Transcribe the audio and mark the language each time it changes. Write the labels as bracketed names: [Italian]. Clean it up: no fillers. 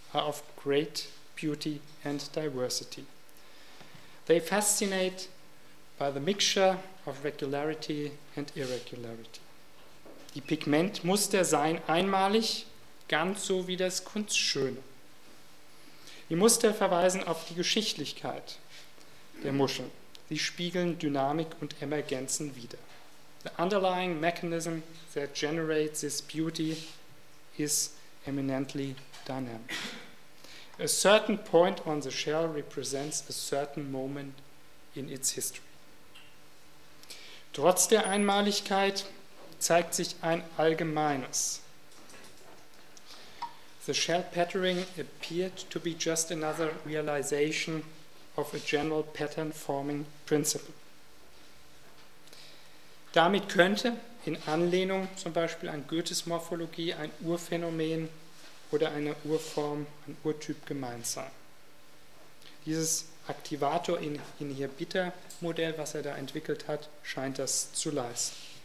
[English] are of great beauty and diversity. They fascinate by the mixture of regularity and irregularity. [German] Die Pigmentmuster seien einmalig, ganz so wie das Kunstschöne. Die Muster verweisen auf die Geschichtlichkeit der Muscheln. Sie spiegeln Dynamik und Emergenzen wider. [English] The underlying mechanism that generates this beauty is eminently dynamic. A certain point on the shell represents a certain moment in its history. [German] Trotz der Einmaligkeit zeigt sich ein Allgemeines. [English] The shell patterning appeared to be just another realization of a general pattern forming principle. [German] Damit könnte in Anlehnung zum Beispiel an Goethes Morphologie ein Urphänomen oder eine Urform, ein Urtyp gemeint sein. Dieses Aktivator-Inhibitor-Modell, was er da entwickelt hat, scheint das zu leisten.